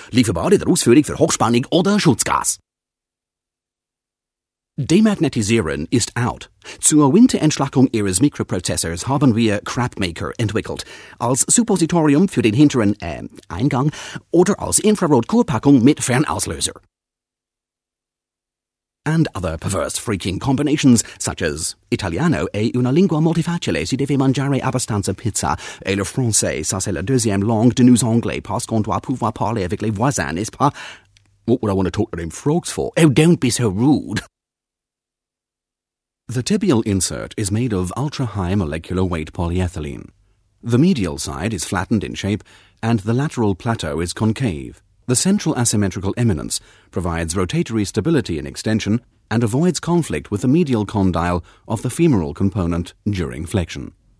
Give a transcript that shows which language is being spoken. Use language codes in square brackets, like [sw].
[de] Lieferbar in der Ausführung für Hochspannung oder Schutzgas. Demagnetisieren ist out. Zur Winterentschlackung Ihres Mikroprozessors haben wir Crapmaker entwickelt. Als Suppositorium für den hinteren Eingang oder als Infrarot-Kurpackung mit Fernauslöser. [en] And other perverse freaking combinations, such as [it] Italiano è una lingua multifacile, si deve mangiare abbastanza pizza, [fr] et le français, ça c'est la deuxième langue de nous anglais, parce qu'on doit pouvoir parler avec les voisins, n'est-ce pas? [en] What would I want to talk to them frogs for? Oh, don't be so rude. The tibial insert is made of ultra-high molecular weight polyethylene. The medial side is flattened in shape, and the lateral plateau is concave. The central asymmetrical eminence provides rotatory stability in extension and avoids conflict with the medial condyle of the femoral component during flexion.